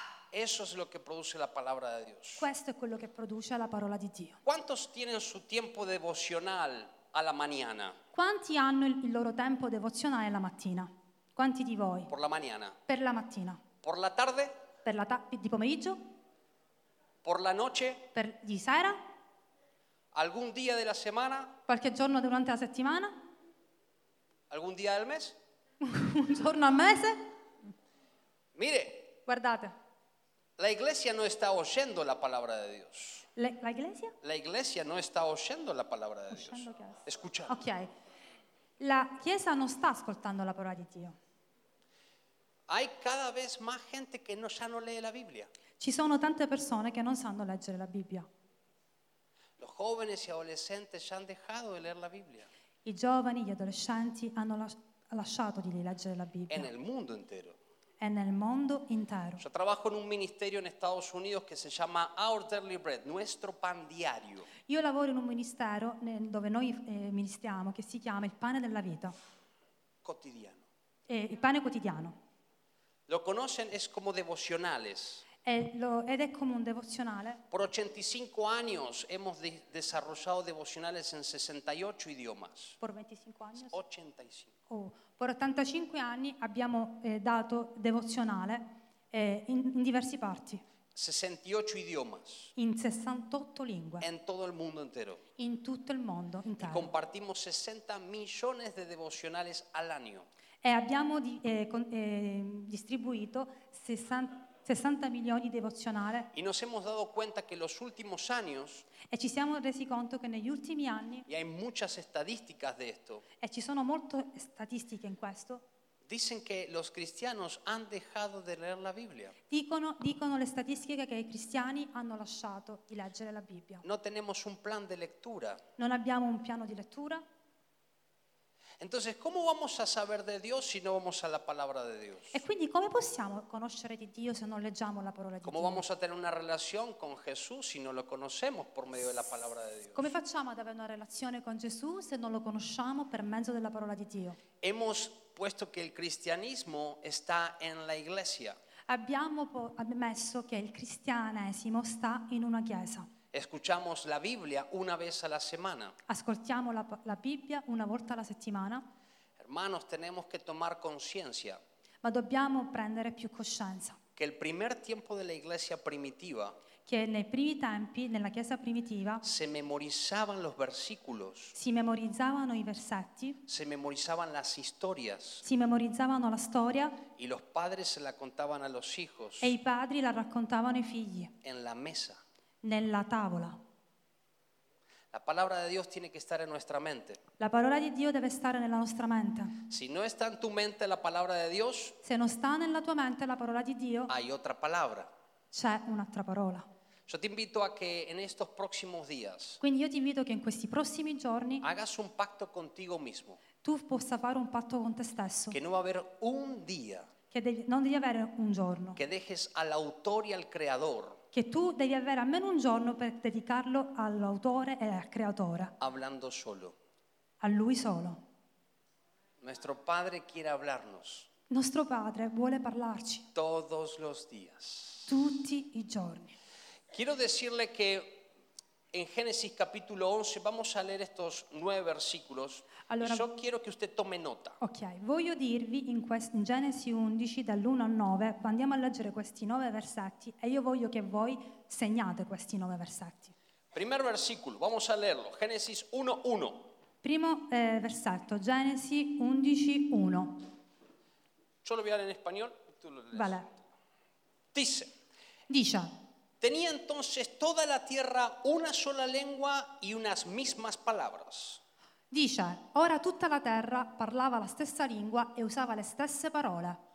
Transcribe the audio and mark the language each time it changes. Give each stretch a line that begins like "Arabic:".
Spanish: Eso es lo que produce la palabra de Dios.
Italian: Questo è quello che produce la parola di Dio.
Spanish: ¿Cuántos tienen su tiempo devocional a la mañana?
Italian: Quanti hanno il loro tempo devozionale la mattina? Quanti di voi?
Spanish: Por la mañana.
Italian: Per la mattina.
Spanish: Por la tarde?
Italian: Per la di pomeriggio?
Spanish: Por la noche?
Italian: Per di sera?
Spanish: Algún día de la semana?
Italian: Qualche giorno durante la settimana?
Spanish: Algún día del mes?
Italian: Un giorno al mese?
Spanish: Mire.
Italian: Guardate.
Spanish: La iglesia no está oyendo la palabra de Dios. La iglesia? La iglesia no está oyendo la palabra de Dios. Escuchando.
Italian: Ok. La chiesa non sta ascoltando la parola di Dio.
Spanish: Hay cada vez más gente que no, ya no lee la Biblia.
Italian: Ci sono tante persone che non sanno leggere la Bibbia.
Spanish: Los jóvenes y adolescentes ya han dejado de leer la Biblia.
Italian: I giovani, gli adolescenti hanno lasciato di leggere la Bibbia.
Spanish: En el mundo entero.
Italian: È nel mondo intero.
Spanish: Yo trabajo en un ministerio en Estados Unidos que se llama Our Daily Bread, nuestro pan diario.
Italian: Io lavoro in un ministero dove noi ministriamo che si chiama il pane della vita. Quotidiano. Il pane quotidiano.
Spanish: Lo conocen, es como devocionales.
Italian: Ed è come un devozionale.
Spanish: Por 85 años hemos desarrollado devocionales en 68 idiomas. Por 25 años. 85.
Italian: Oh, por 85 anni abbiamo dato devozionale in diverse parti.
Spanish: 68 idiomas.
Italian: In 68 lingue.
Spanish: En todo el mundo entero.
Italian: In tutto il mondo intero.
Spanish: Y compartimos 60 millones de devocionales al año.
Italian: E abbiamo distribuito 60 milioni devozionale.
Spanish: Y nos hemos dado cuenta que los últimos años,
Italian: e ci siamo resi conto che negli ultimi anni,
Spanish: y hay muchas estadísticas de esto,
Italian: e ci sono molte statistiche in questo,
Spanish: dicen que los cristianos han dejado de leer la Biblia.
Italian: Dicono le statistiche che i cristiani hanno lasciato di leggere la Bibbia.
Spanish: No tenemos un plan de lectura.
Italian: Non abbiamo un piano di lettura.
Spanish: Entonces, ¿cómo vamos a saber de Dios si no vamos a la palabra de Dios?
Italian: E quindi come possiamo conoscere di Dio se non leggiamo la parola di Dio?
Spanish: ¿Cómo vamos a tener una relación con Jesús si no lo conocemos por medio de la palabra de Dios?
Italian: Come facciamo ad avere una relazione con Gesù se non lo conosciamo per mezzo della parola di Dio?
Spanish: Hemos puesto que el cristianismo está en la iglesia.
Italian: Abbiamo messo che il cristianesimo sta in una chiesa.
Spanish: Escuchamos la Biblia una vez a la semana.
Italian: Ascoltiamo la Bibbia una volta alla settimana.
Spanish: Hermanos, tenemos que tomar conciencia.
Italian: Ma dobbiamo prendere più coscienza.
Spanish: Que el primer tiempo de la iglesia primitiva.
Italian: Che nei primi tempi nella chiesa primitiva.
Spanish: Se memorizzavano los versículos.
Italian: Si memorizzavano i versetti.
Spanish: Se memorizzavano las historias.
Italian: Si memorizzavano la storia.
Spanish: Y los padres se la contaban a los hijos.
Italian: E i padri la raccontavano ai figli.
Spanish: En la mesa.
Italian: Nella tavola.
Spanish: La palabra de Dios tiene que estar en nuestra mente.
Italian: La parola di Dio deve stare nella nostra mente.
Spanish: Si no está en tu mente la palabra de Dios,
Italian: se non sta nella tua mente la parola di Dio,
Spanish: hay otra palabra.
Italian: C'è un'altra parola.
Spanish: Yo te invito a que en estos próximos días.
Italian: Quindi io ti invito che in questi prossimi giorni
Spanish: hagas un pacto contigo mismo.
Italian: Tu possa fare un patto con te stesso.
Spanish: Que no va a haber un día.
Italian: Che non devi avere un giorno.
Spanish: Que dejes al autor y al creador.
Italian: Che tu devi avere almeno un giorno per dedicarlo all'autore e al creatore.
Spanish: Hablando solo.
Italian: A lui solo.
Spanish: Nuestro padre quiere hablarnos.
Italian: Nostro padre vuole parlarci.
Spanish: Todos los días.
Italian: Tutti i giorni.
Spanish: Quiero decirle que en Génesis capítulo 11 vamos a leer estos 9 versículos.
Italian: Allora,
Spanish: yo quiero que usted tome nota.
Italian: Ok, voglio dirvi in Genesi 11 dall'1 al 9, andiamo a leggere questi 9 versetti e io voglio che voi segnate questi 9 versetti.
Spanish: Primer versículo, vamos a leerlo, Génesis 1:1.
Italian: Primo versetto, Génesis 11:1.
Spanish: Yo lo voy a leer en español y tú lo lees. Vale. Dice: tenía entonces toda la tierra una sola lengua y unas mismas palabras.
Italian: Dice, ora tutta la terra parlava la stessa lingua e usava le stesse parole.